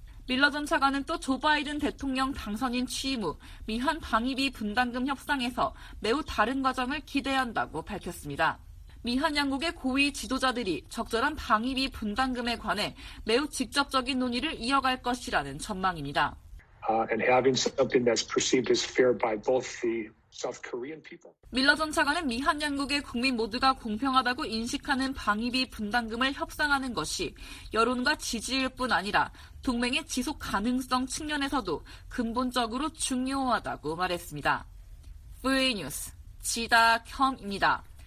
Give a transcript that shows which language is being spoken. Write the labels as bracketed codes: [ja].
[ko] 밀러 전 차관은 또 조 바이든 대통령 당선인 취임 후 미한 방위비 분담금 협상에서 매우 다른 과정을 기대한다고 밝혔습니다. 미한 양국의 고위 지도자들이 적절한 방위비 분담금에 관해 매우 직접적인 논의를 이어갈 것이라는 전망입니다. [en] And having something that's perceived as fair by both the South Korean people. [ko] 밀러 전 차관은 미한 양국의 국민 모두가 공평하다고 인식하는 방위비 분담금을 협상하는 것이 여론과 지지일 뿐 아니라 동맹의 지속 가능성 측면에서도 근본적으로 중요하다고 말했습니다. VOA 뉴스 지다경입니다.